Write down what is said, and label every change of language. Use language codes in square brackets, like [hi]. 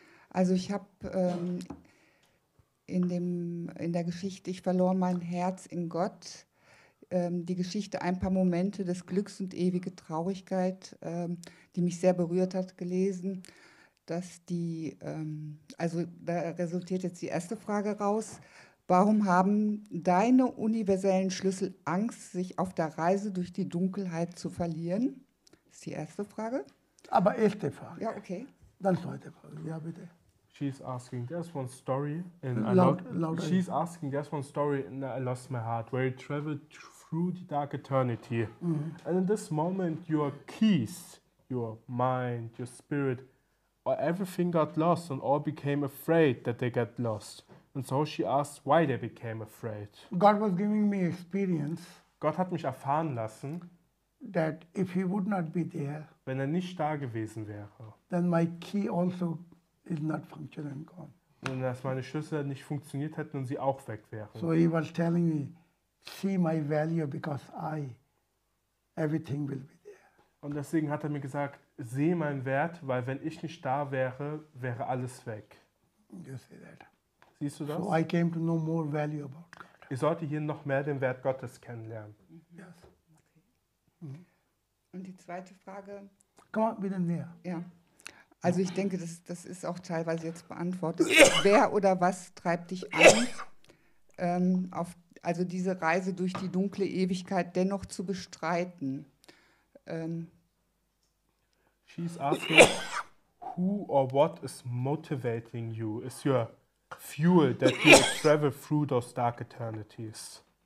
[de] Also ich habe in der Geschichte, ich verlor mein Herz in Gott, die Geschichte Ein paar Momente des Glücks und ewige Traurigkeit, die mich sehr berührt hat, gelesen. Dass die, also da resultiert jetzt die erste Frage raus. Warum haben deine universellen Schlüssel Angst, sich auf der Reise durch die Dunkelheit zu verlieren? Das ist die erste Frage. Aber erste Frage. Ja, okay. Dann zweite Frage. Ja, bitte. [en] She's asking, there's one story in I lost my heart, where you traveled through the dark eternity. Mm-hmm. And in this moment, your keys, your mind, your spirit, everything got lost and all became afraid that they get lost. And so she asked why they became afraid. God was giving me experience. [de] Gott hat mich erfahren lassen, [en] that if he would not be there, [de] wenn er nicht da gewesen wäre, [en] then my key also is not functioning gone. [de] Und dass meine Schlüssel nicht funktioniert hätten und sie auch weg wären. [en] So he was telling me, see my value because I, everything will be there. [de] Und deswegen hat er mir gesagt, sehe meinen Wert, weil wenn ich nicht da wäre, wäre alles weg. [en] You see that. [de] Siehst du das? [en] So I came to know more value about God. [de] Ich sollte hier noch mehr den Wert Gottes kennenlernen. [en] Yes. [de] Okay. Und die zweite Frage? Komm mal wieder näher. Ja. Also ich denke, das ist auch teilweise jetzt beantwortet. Wer oder was treibt dich an, auf also diese Reise durch die dunkle Ewigkeit dennoch zu bestreiten? [en] She's asking, who or what is motivating you? Is your fuel that you travel through those dark eternities?